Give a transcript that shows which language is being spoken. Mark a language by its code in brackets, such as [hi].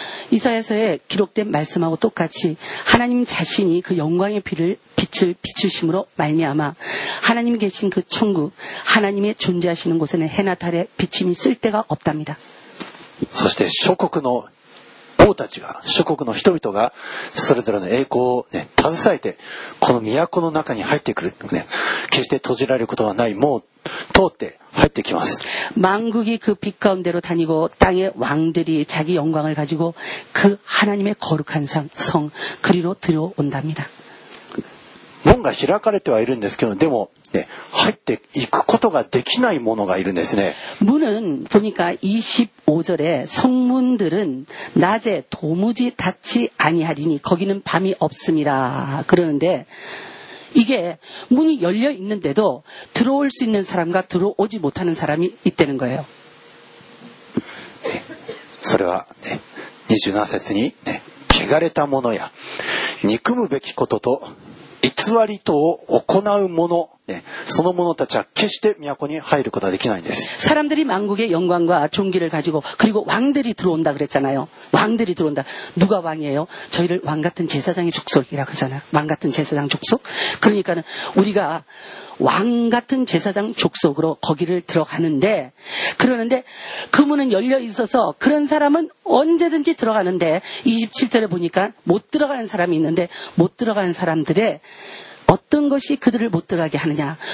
[ko] 이사야서에 기록된 말씀하고 똑같이 하나님 자신이 그 영광의 빛을 비추심으로 말미암아 하나님이 계신 그 천국, 하나님의 존재하시는 곳에는 해나 달에 비침이 쓸 데가 없답니다. [ja] 諸国の 王たちが諸国の人々がそれぞれの栄光を携えてこの都の中に入ってくる。決して閉じられることはない。もう通って入ってきます。 [ko] 만국이 그 빛 가운데로 다니고 땅의 왕들이 자기 영광을 가지고 그 하나님의 거룩한 성 그리로 들어온답니다. [ja] 뭔가 開かれてはいるんですけど、でも 네, 入っていくことができないものがいるんですね。 [ko] 문은 보니까 25절에 성문들은 낮에 도무지 닫지 아니하리니 거기는 밤이 없음이라 그러는데 이게 문이 열려 있는데도 들어올 수 있는 사람과 들어오지 못하는 사람이 있다는 거예요. [ja] 네, それは27節に、汚れたものや憎むべきことと 偽りと行うもの、その者たちは決して都に入ることはできないんです。 [ko] 사람들이 만국의 영광과 존귀를 가지고 그리고 왕들이 들어온다 그랬잖아요. 왕들이 들어온다. 누가 왕이에요? 저희를 왕 같은 제사장의 족속이라 그러잖아. 왕 같은 제사장 족속. 그러니까는 우리가 왕 같은 제사장 족속으로 거기를 들어가는데 그러는데 그 문은 열려 있어서 그런 사람은 언제든지 들어가는데 27절에 보니까 못 들어가는 사람이 있는데 못 들어가는 사람들의 어떤 것이 그들을 못 들어가게 하느냐.